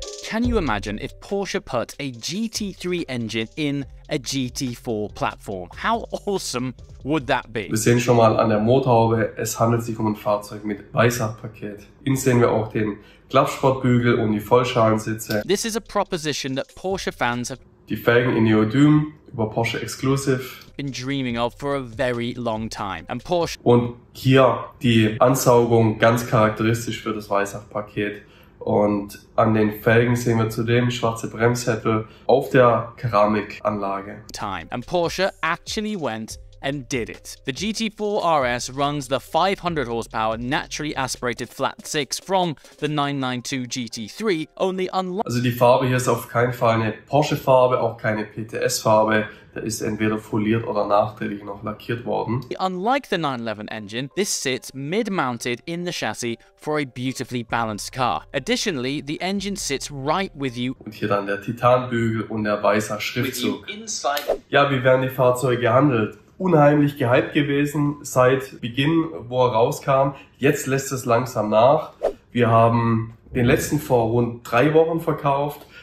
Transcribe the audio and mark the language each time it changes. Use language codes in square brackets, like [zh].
[en] Can you imagine if Porsche put a GT3 engine in a GT4 platform? How awesome would that be? [de] Wir sehen schon mal an der Motorhaube, es handelt sich um ein Fahrzeug mit Weißabpaket. Innen sehen wir auch den Klappsportbügel und die Vollschalensitze. [en] This is a proposition that Porsche fans have. [de] Die Felgen in Neodym über Porsche Exclusive. [en] Been dreaming of for a very long time. And Porsche. [de] Und hier die Ansaugung, ganz charakteristisch für das Weißabpaket. Und an den Felgen sehen wir zudem schwarze Bremssättel auf der Keramikanlage. [en] Time. And Porsche actually went and did it. The GT4 RS runs the 500 horsepower naturally aspirated flat 6 from the 992 GT3 only unlocked. [de] Also die Farbe hier ist auf keinen Fall eine Porsche-Farbe, auch keine PTS-Farbe. Der ist entweder foliert oder nachträglich noch lackiert worden. [en] Unlike the 911 engine, this sits mid-mounted in the chassis for a beautifully balanced car. Additionally, the engine sits right with you. [de] Und hier dann der Titanbügel und der weiße Schriftzug. Ja, wie werden die Fahrzeuge gehandelt? Unheimlich gehypt gewesen seit Beginn, wo er rauskam. Jetzt lässt es langsam nach. Wir haben den letzten vor rund 3 Wochen verkauft.